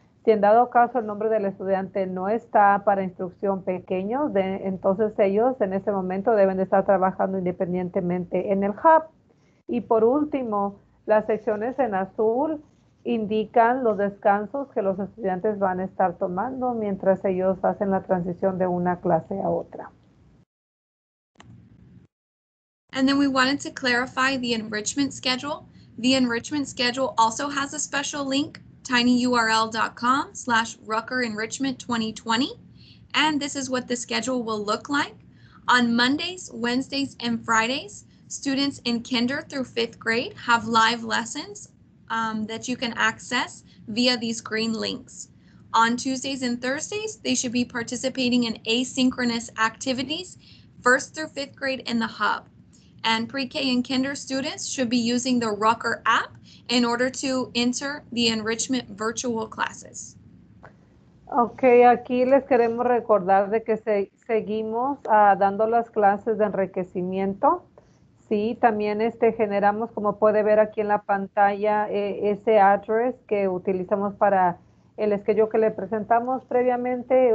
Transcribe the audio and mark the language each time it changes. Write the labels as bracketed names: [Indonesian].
[Spanish] Si en dado caso el nombre del estudiante no está para instrucción pequeño, entonces ellos en ese momento deben de estar trabajando independientemente en el hub. Y por último, las secciones en azul indican los descansos que los estudiantes van a estar tomando mientras ellos hacen la transición de una clase a otra. [English] And then we wanted to clarify the enrichment schedule. The enrichment schedule also has a special link, tinyurl.com/RuckerEnrichment2020. And this is what the schedule will look like. On Mondays, Wednesdays, and Fridays, students in kinder through fifth grade have live lessons that you can access via these green links. On Tuesdays and Thursdays, they should be participating in asynchronous activities, first through fifth grade in the hub. And pre-K and kinder students should be using the Rucker app in order to enter the enrichment virtual classes. [Spanish] Okay, aquí les queremos recordar de que seguimos dando las clases de enriquecimiento. Sí, también generamos, como puede ver aquí en la pantalla, ese address que utilizamos para el schedule que le presentamos previamente.